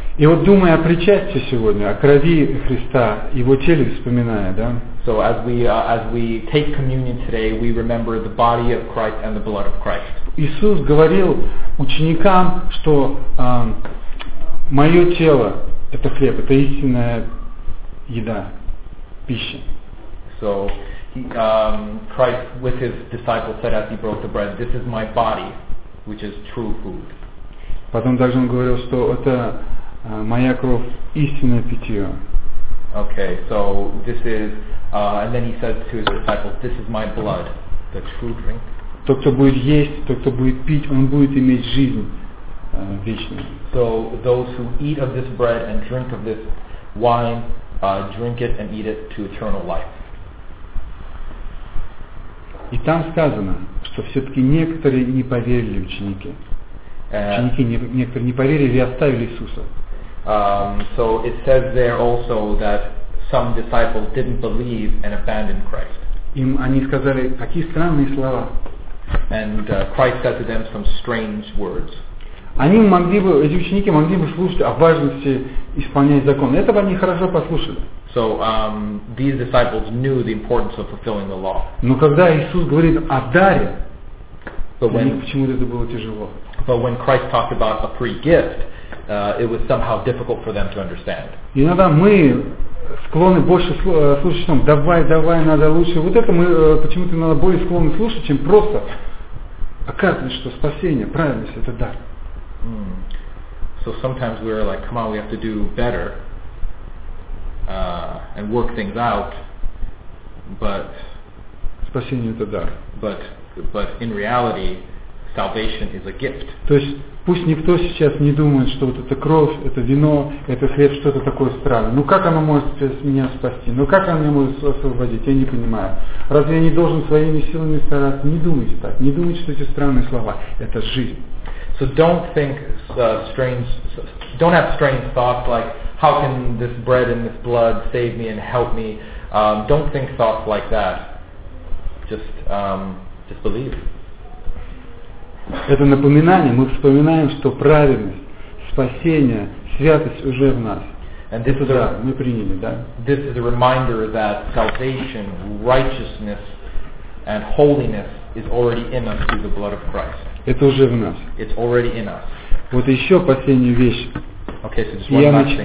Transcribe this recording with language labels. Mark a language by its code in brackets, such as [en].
[ru] И вот думая о причастии сегодня, о крови Христа, его теле вспоминая, да? [en] So as we take communion today, we remember the body of Christ and the blood of Christ. [ru] Иисус говорил ученикам, что мое тело – это хлеб, это истинная еда, пища. [en] So Christ with his disciples said as he broke the bread, this is my body, which is true food. [ru] Потом также он говорил, что это моя кровь – истинное питье. [en] Okay, so this is... and then he says to his disciples, this is my blood, the true drink. [ru] Тот, кто будет есть, тот, кто будет пить, он будет иметь жизнь вечную. [en] So those who eat of this bread and drink of this wine, drink it and eat it to eternal life. [ru] И там сказано, что все-таки некоторые не поверили ученики. Ученики некоторые не поверили и оставили Иисуса. [en] So it says there also that some disciples didn't believe and abandoned Christ. [ru] Им они сказали, какие странные слова. [en] And Christ said to them some strange words. [ru] Они могли бы, эти ученики могли бы слушать о важности исполнять закон. Это бы они хорошо послушали. [en] So these disciples knew the importance of fulfilling the law. [ru] Но когда Иисус говорит о даре, для них почему-то это было тяжело. [en] But when Christ talked about a free gift, it was somehow difficult for them to understand. [ru] Иногда мы склонны больше слушать, чем давай, давай, надо лучше. Вот это мы почему-то надо более склонны слушать, чем просто оказывать, что спасение, праведность, это дар. [en] So sometimes we are like, come on, we have to do better and work things out, but [ru] спасение это дар. [en] But in reality, salvation is a gift. [ru] То есть пусть никто сейчас не думает, что вот это кровь, это вино, это хлеб, что-то такое странное. Ну как оно может меня спасти? Ну как оно меня может освободить? Я не понимаю. Разве я не должен своими силами стараться? Не думайте так. Не думайте, что эти странные слова. Это жизнь. [en] So don't think strange. Don't have strange thoughts like how can this bread and this blood save me and help me. Don't think thoughts like that. Just believe. [ru] Это напоминание. Мы вспоминаем, что праведность, спасение, святость уже в нас. [en] And this [ru] это [en] is [ru] да, [en] a, [ru] мы приняли, да? [en] This is a reminder that salvation, righteousness, and holiness is already in us through the blood of Christ. [ru] Это уже в нас. [en] It's already in us. [ru] Вот еще последняя вещь. [en] Okay, so just one last thing.